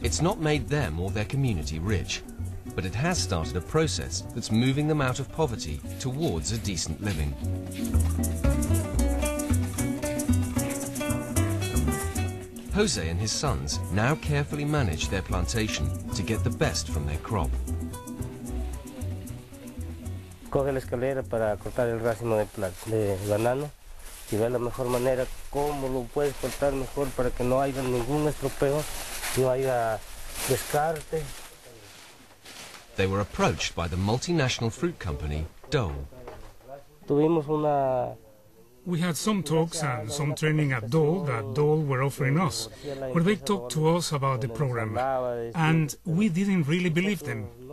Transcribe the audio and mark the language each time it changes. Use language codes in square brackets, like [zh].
[en] It's not made them or their community rich, but it has started a process that's moving them out of poverty towards a decent living. Jose and his sons now carefully manage their plantation to get the best from their crop. [es] Coge la escalera para cortar el racimo de banano y ve la mejor manera cómo lo puedes cortar mejor para que no haya ningún estropeo, no haya descarte. [en] They were approached by the multinational fruit company Dole. [es] Tuvimos una. [en] We had some talks and some training at Dole that Dole were offering us, where they talked to us about the program, and we didn't really believe them.